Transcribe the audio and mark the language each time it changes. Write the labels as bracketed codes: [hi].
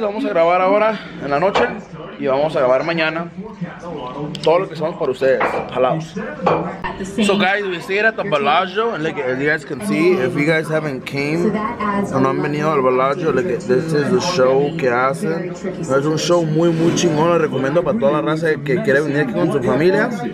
[es] Vamos a grabar ahora en la noche y vamos a grabar mañana todo lo que somos para ustedes. Jalaos. [en] So guys, we stayed at the Bellagio, and like as you guys can see, if you guys haven't came [es] o no han venido al Bellagio, [en] like this is the show [es] que hacen. Es un show muy muy chingón. Lo recomiendo para toda la raza que quiere venir aquí con su familia.